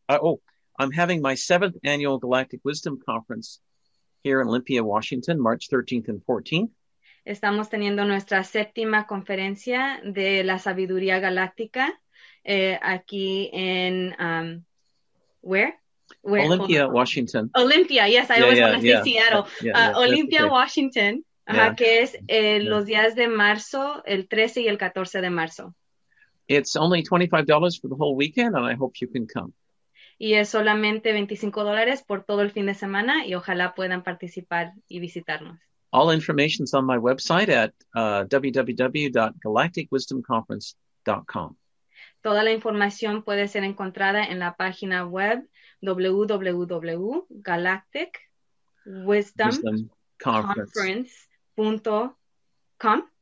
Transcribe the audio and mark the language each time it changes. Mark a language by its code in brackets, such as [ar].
[en] I'm having my 7th annual Galactic Wisdom Conference here in Olympia, Washington, March 13th and 14th. [es] Estamos teniendo nuestra séptima conferencia de la sabiduría galáctica aquí en [en] where? Olympia, Washington. Olympia, yes, I always want to say Seattle. [es] Olympia, Washington, que es los días de marzo, el 13 y el 14 de marzo. [en] It's only $25 for the whole weekend, and I hope you can come. [es] Y es solamente $25 por todo el fin de semana, y ojalá puedan participar y visitarnos. [en] All information is on my website at www.galacticwisdomconference.com. [es] Toda la información puede ser encontrada en la página web www.galacticwisdomconference.com.